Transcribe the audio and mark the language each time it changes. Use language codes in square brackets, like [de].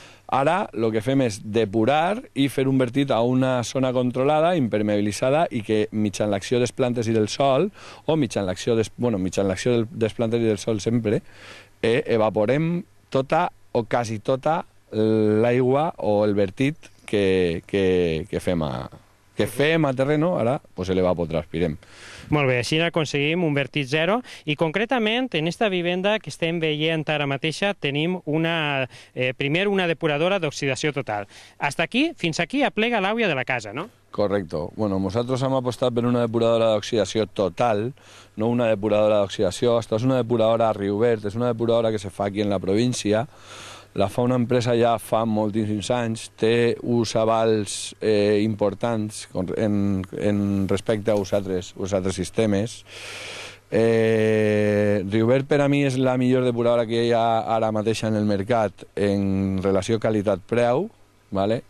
[ca] Ara el que fem és depurar i fer un vertit a una zona controlada, impermeabilitzada, i que mitjançant l'acció de les plantes i del sol, o mitjançant l'acció de, bueno, de les plantes i del sol sempre, evaporem tota o quasi tota l'aigua o el vertit que fem a terreno, ara pues l'evapotranspirem. Molt bé, així aconseguim un vertit zero i concretament en aquesta vivenda que estem veient ara mateixa tenim una, primer una depuradora d'oxidació total. Fins aquí aplega l'aigua de la casa, no? [es] Correcto. Bueno, nosotros hemos apostado por una depuradora de oxidación total, no una depuradora de oxidación. Esto es una depuradora a riu obert, es una depuradora que [ca] se fa aquí [es] en la provincia. [ca] La fa una empresa ja fa moltíssims anys, té uns avals importants en respecte a uns altres sistemes. Riubert per a mi és la millor depuradora que hi ha ara mateixa en el mercat en relació qualitat-preu. ¿Vale?